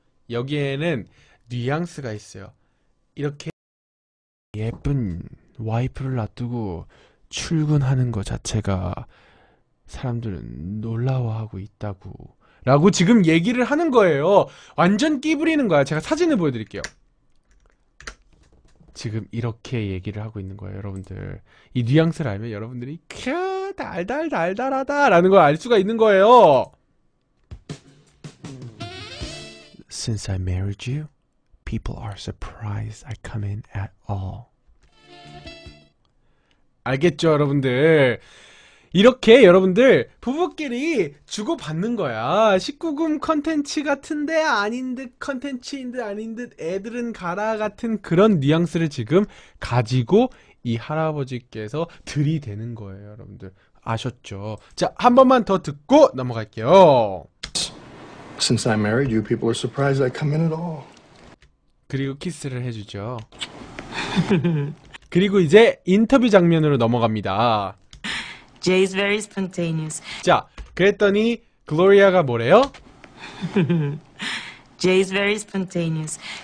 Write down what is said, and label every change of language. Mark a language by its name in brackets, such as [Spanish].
[Korean] 여기에는 뉘앙스가 있어요. 이렇게 예쁜 와이프를 놔두고 출근하는 것 자체가 사람들은 놀라워하고 있다고 라고 지금 얘기를 하는 거예요. 완전 끼부리는 거야. 제가 사진을 보여드릴게요. 지금 이렇게 얘기를 하고 있는 거예요, 여러분들. 이 뉘앙스를 알면 여러분들이 캬, 달달달달하다라는 걸알 수가 있는 거예요. [English] Since I married you, people are surprised I come in at all. [Korean] 알겠죠, 여러분들? 이렇게 여러분들 부부끼리 주고받는 거야. 19금 컨텐츠 같은데 아닌 듯 컨텐츠인 듯 아닌 듯 애들은 가라 같은 그런 뉘앙스를 지금 가지고 이 할아버지께서 들이대는 거예요, 여러분들. 아셨죠? 자, 한 번만 더 듣고 넘어갈게요. [English] Since I married you, people are surprised I come in at all. [Korean] 그리고 키스를 해주죠. 그리고 이제 인터뷰 장면으로 넘어갑니다. [English] Jay is very spontaneous. [Korean] 자, 그랬더니 글로리아가 뭐래요? [English] Jay is very spontaneous.